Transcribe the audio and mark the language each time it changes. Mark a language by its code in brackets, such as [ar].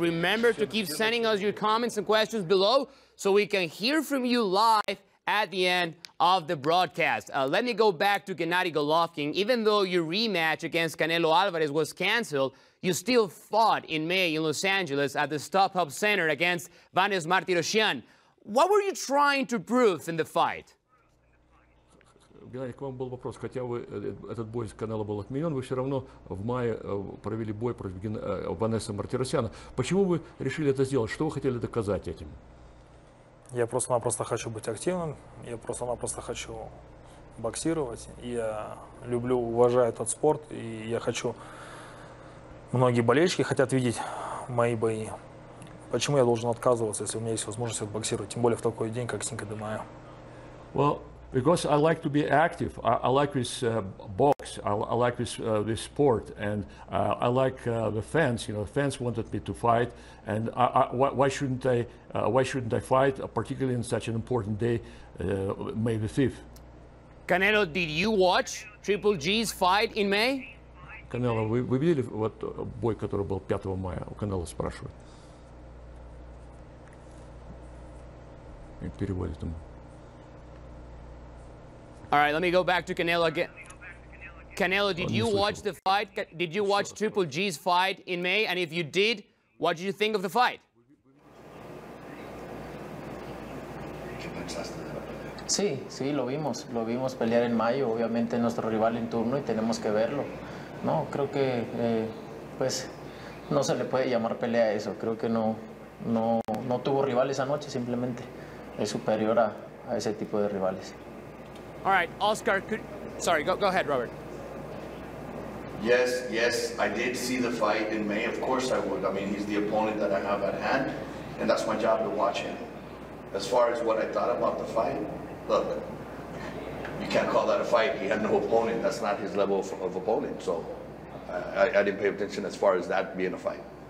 [en] Remember to keep sending us your comments and questions below so we can hear from you live at the end of the broadcast. Let me go back to Gennady Golovkin. Even though your rematch against Canelo Alvarez was canceled, you still fought in May in Los Angeles at the StubHub Center against Vanes Martirosyan. What were you trying to prove in the fight? [ru] Геннадий, к вам был вопрос. Хотя вы этот бой с Канело был отменен, вы все равно в мае провели бой против Ванесса Мартиросяна. Почему вы решили это сделать? Что вы хотели доказать этим? Я просто-напросто хочу быть активным. Я просто-напросто хочу боксировать. Я люблю, уважаю этот спорт. И я хочу... Многие болельщики хотят видеть мои бои. Почему я должен отказываться, если у меня есть возможность отбоксировать, тем более в такой день, как Синка де Майо? [en] Well, Because I like to be active. I like this box. I like this this sport, and I like the fans. You know, the fans wanted me to fight, and why shouldn't I fight, particularly in such an important day, May the 5th? Canelo, did you watch Triple G's fight in May? [ru] Canelo, вы видели вот бой, который был 5 мая? У Canelo спрашивает. И переводит ему. [en] All right, let me go back to Canelo again. Canelo, did you watch the fight? Did you watch Triple G's fight in May? And if you did, what did you think of the fight? [es] Sí, sí, lo vimos. Lo vimos pelear en mayo, obviamente nuestro rival en turno y tenemos que verlo. No, creo que pues no se le puede llamar pelea a eso. Creo que no tuvo rival esa noche, simplemente es superior a ese tipo de rivales. [en] All right, Oscar, go ahead, Robert. Yes, I did see the fight in May. Of course I would. I mean, he's the opponent that I have at hand, and that's my job to watch him. As far as what I thought about the fight, look, you can't call that a fight. He had no opponent. That's not his level of opponent. So I didn't pay attention as far as that being a fight.